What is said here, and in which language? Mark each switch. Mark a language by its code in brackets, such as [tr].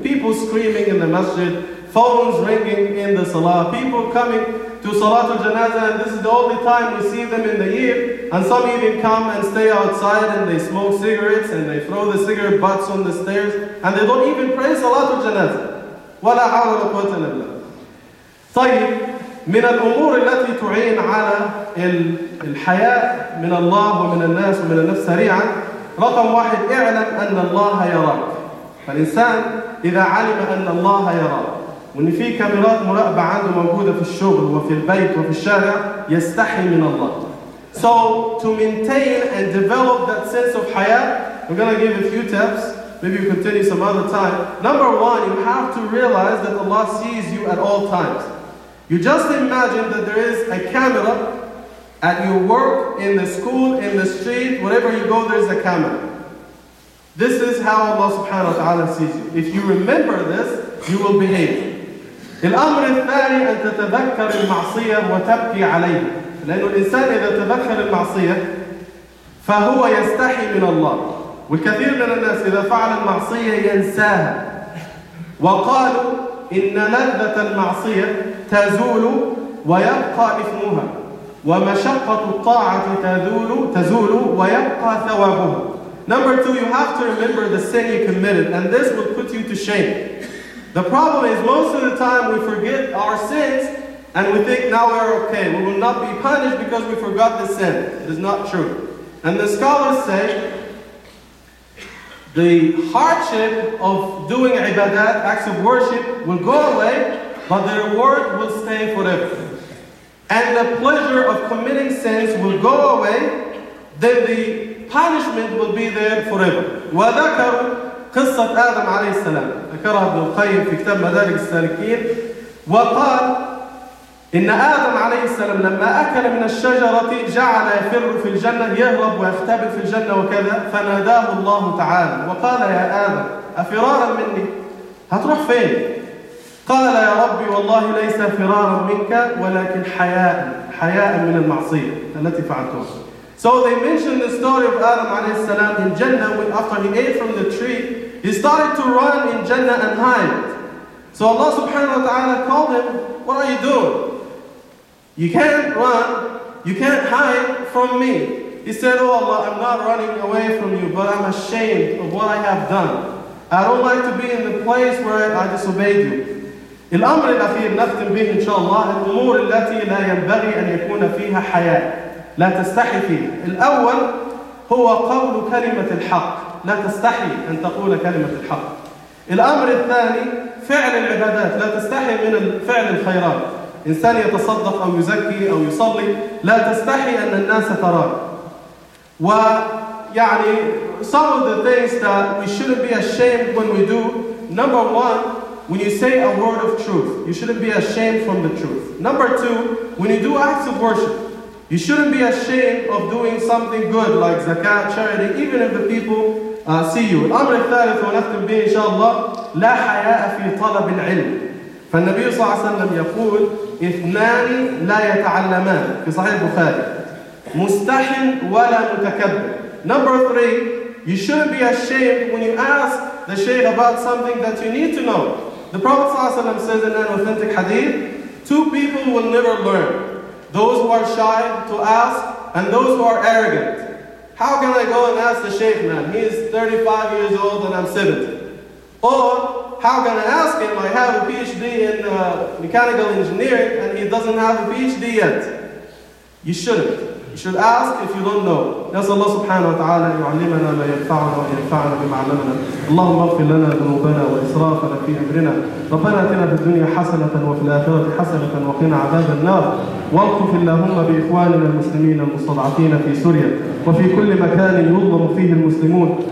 [en] People screaming in the masjid, phones ringing in the salah, people coming to salatul janazah, and this is the only time we see them in the year. And some even come and stay outside and they smoke cigarettes and they throw the cigarette butts on the stairs and they don't even pray salatul janazah. [ar] وَلَا حَوْلَ وَلَا قُوَّةَ إِلَّا بِاللَّهِ. طيب من الأمور التي تعين على الحياء من الله ومن الناس ومن النفس سريعا، رقم واحد، اعلم أن الله يراك. فالإنسان إذا علم أن الله يراك وأن في كاميرات مراقبة عنده موجودة في الشغل وفي البيت وفي الشارع، يستحي من الله. [en] So to maintain and develop that sense of حياء, I'm gonna give a few tips. Maybe you continue some other time. Number one, you have to realize that Allah sees you at all times. You just imagine that there is a camera at your work, in the school, in the street, wherever you go, there's a camera. This is how Allah subhanahu wa ta'ala sees you. If you remember this, you will behave. [ar] الأمر الثاني أن تتذكر المعصية وتبكي عليها. لأن الإنسان إذا تذكر المعصية فهو يستحي من الله. والكثير من الناس إذا فعل المعصية ينساها. وقالوا إن لذة المعصية تزول ويبقى إثمها، ومشقة الطاعة تزول ويبقى ثوابها. [en] Number two, you have to remember the sin you committed, and this will put you to shame. The problem is most of the time we forget our sins and we think now we're okay. We will not be punished because we forgot the sin. It is not true. And the scholars say the hardship of doing ibadat, acts of worship, will go away, but the reward will stay forever. And the pleasure of committing sins will go away, then the punishment will be there forever. [ar] وَذَكَرُوا قِصَّةَ آدم عليه السلام، ذكرها ابن القيم في كتاب مدارك السالكين، وقال إن آدم عليه السلام لما أكل من الشجرة جعل يفر في الجنة، يهرب ويختبئ في الجنة وكذا، فناداه الله تعالى وقال يا آدم أفرارا مني؟ هتروح فين؟ قال يا ربي والله ليس فرارا منك ولكن حياء من المعصية التي فعلتها. [en] So they mentioned the story of Adam alayhi salam in Jannah, when after he ate from the tree, he started to run in Jannah and hide. So Allah subhanahu wa ta'ala called him, what are you doing? You can't run, you can't hide from me. He said, oh Allah, I'm not running away from you, but I'm ashamed of what I have done. I don't like to be in the place where I disobeyed you. [ar] الأمر الأخير نختم به إن شاء الله، الأمور التي لا ينبغي أن يكون فيها حياء، لا تستحي فيه. الأول هو قول كلمة الحق، لا تستحي أن تقول كلمة الحق. الأمر الثاني فعل العبادات، لا تستحي من فعل الخيرات. إنسان يتصدق أو يزكي أو يصلي، لا تستحي أن الناس تراك. [en] ويعني some of the things that we shouldn't be ashamed when we do. Number one, when you say a word of truth, you shouldn't be ashamed from the truth. Number two, when you do acts of worship, you shouldn't be ashamed of doing something good like zakat, charity, even if the people see you. [ar] الأمر الثالث ونختم به إن شاء الله، لا حياء في طلب العلم. فالنبي صلى الله عليه وسلم يقول اثنان لا يتعلمان في صحيح البخاري، مستحي ولا متكبر. [en] Number three, you shouldn't be ashamed when you ask the shaykh about something that you need to know. The Prophet ﷺ says in an authentic hadith, Two people will never learn. Those who are shy to ask and those who are arrogant. How can I go and ask the Shaykh, man? He is 35 years old and I'm 70. Or how can I ask him? I have a PhD in mechanical engineering and he doesn't have a PhD yet. You shouldn't. You should ask if you don't know. [ar] نسأل الله سبحانه وتعالى أن يعلمنا ما ينفعنا وأن ينفعنا بما علمنا. اللهم اغفر لنا ذنوبنا وإسرافنا في أمرنا. ربنا آتنا في الدنيا حسنة وفي الآخرة حسنة وقنا عذاب النار. واغفر اللهم بإخواننا المسلمين المستضعفين في سوريا وفي كل مكان يظلم فيه المسلمون.